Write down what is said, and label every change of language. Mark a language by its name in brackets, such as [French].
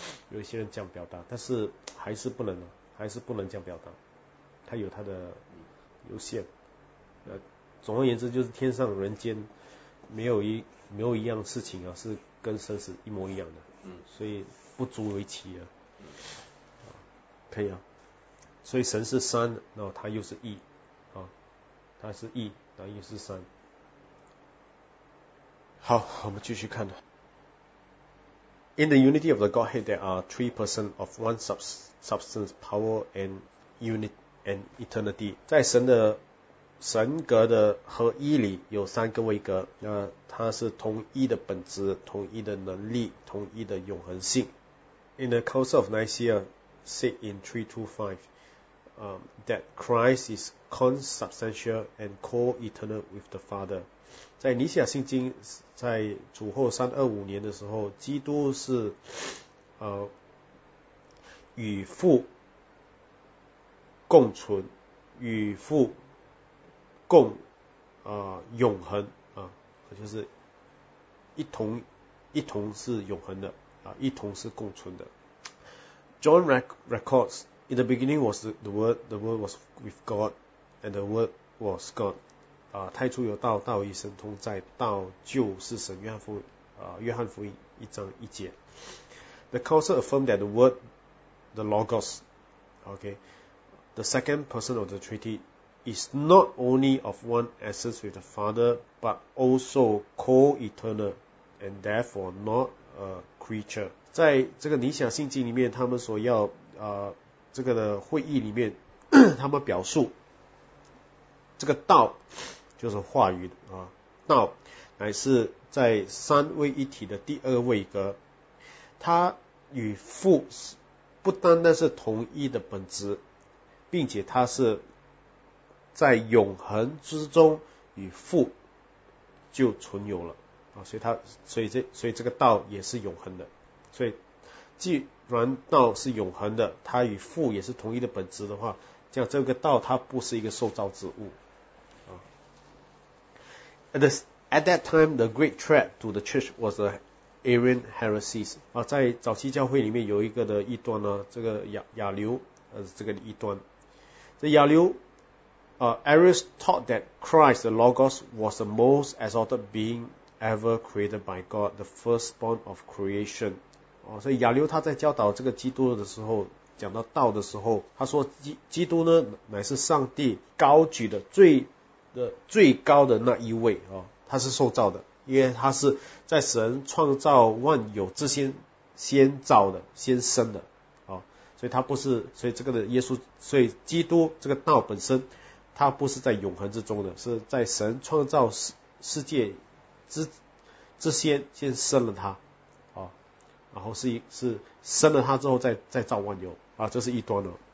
[Chinese] 有一些人这样表达，但是还是不能这样表达，他有他的有限总而言之就是天上人间没有一样事情是跟神是一模一样的所以不足为奇可以所以神是三，然后他又是一他是一，然后又是三。好，我们继续看。 [English] In the unity of the Godhead, there are three persons of one substance, power, and unit, and eternity. [Chinese] 在神的神格的合一里，有三个位格，那它是同一的本质、同一的能力、同一的永恒性。 [English] In the Council of Nicaea. Said in 325, that Christ is consubstantial and co-eternal with the Father. [Chinese] 在尼西亚信经，在主后325年的时候，基督是与父共存，与父共永恒就是一同是永恒的啊，一同是共存的。 [English] John records, in the beginning was the word was with God, and the word was God. [Chinese] 啊，太初有道，道与神同在，道就是神。约翰福音一章一节。 [English] The council affirmed that the word, the Logos, okay, the second person of the Trinity, is not only of one essence with the Father, but also co-eternal, and therefore not a creature. [Chinese] 在这个尼西亚信经里面，他们所要这个的会议里面，他们表述这个道就是话语啊，道乃是在三位一体的第二位格，他与父不单单是同一的本质，并且他是在永恒之中与父就存有了啊，所以这个道也是永恒的。所以既然道是永恒的，他与父也是同一的本质的话，像这个道他不是一个受造之物啊。 [English] At that time, the great threat to the church was the Arian heresies. [Chinese] 啊，在早期教会里面有一个的异端呢，这个亚流，这个异端。这亚流， [English] Arius taught that Christ, the Logos, was the most exalted being ever created by God, the firstborn of creation. [Chinese] 哦，所以亚流他在教导这个基督的时候，讲到道的时候，他说基督呢乃是上帝高举的最高的那一位啊。他是受造的，因为他是在神创造万有之先先造的先生的啊，所以他不是，所以这个的耶稣，所以基督这个道本身他不是在永恒之中的，是在神创造世界之先先生了他啊，然后是生了他之后再造万有啊，这是一端了。